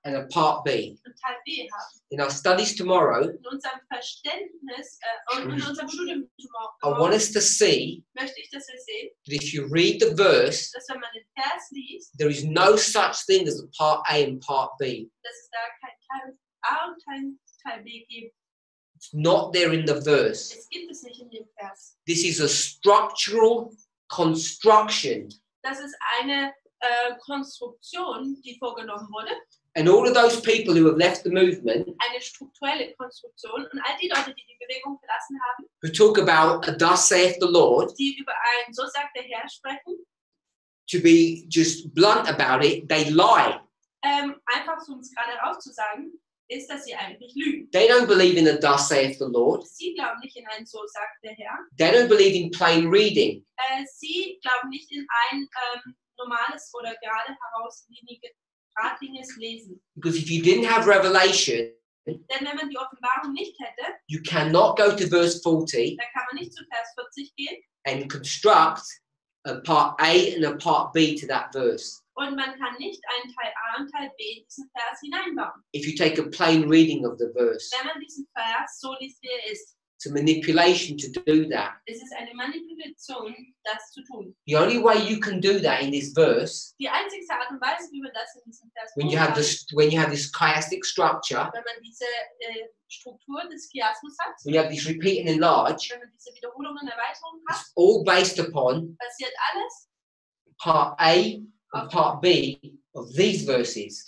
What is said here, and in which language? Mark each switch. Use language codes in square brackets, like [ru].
[en] And a part B. [de] Und Teil B haben. [en] In our studies tomorrow, [de] in unserem Verständnis, in unserem Studium [en] tomorrow, I want us to see, [de] möchte ich, dass wir sehen, [en] that if you read the verse, [de] dass wenn man den Vers liest, [en] there is no such thing as a part A and part B. [de] Dass es da kein Teil A und kein Teil B gibt. [en] It's not there in the verse. [de] Es gibt es nicht in dem Vers. [en] This is a structural construction. [de] Das ist eine Konstruktion, die vorgenommen wurde. [en] And all of those people who have left the movement, [de] eine strukturelle Konstruktion, und all die Leute, die Bewegung verlassen haben, [en] who talk about a thus saith the Lord, [de] die über ein so sagt der Herr sprechen, [en] to be just blunt about it, they lie. [de] Einfach so, um es gerade aufzusagen, ist, dass sie eigentlich lügen. [en] They don't believe in a thus saith the Lord. [de] Sie glauben nicht in ein so sagt der Herr. [en] They don't believe in plain reading. [de] Sie glauben nicht in ein normales oder gerade herausliegendes Lesen. [en] Because if you didn't have revelation, [de] denn wenn man die Offenbarung nicht hätte, [en] you cannot go to verse 40, [de] dann kann man nicht zu Vers 40 gehen [en] and construct a part A and a part B to that verse. [de] Und man kann nicht einen Teil A und Teil B in diesen Vers hineinbauen. [en] If you take a plain reading of the verse, [de] wenn man diesen Vers so liest, wie er ist, [en] it's a manipulation to do that. [de] Es ist eine Manipulation, das zu tun. [en] The only way you can do that in this verse, [de] die einzige Art und Weise, wie man das in diesem Vers [en] when you have this, when you have this chiastic structure, [de] wenn man diese Struktur des Chiasmus hat, [en] when you have this repeat and enlarge, [de] wenn man diese Wiederholung und Erweiterung hat, [en] it's all based upon [de] basiert alles [en] part A and part B of these verses.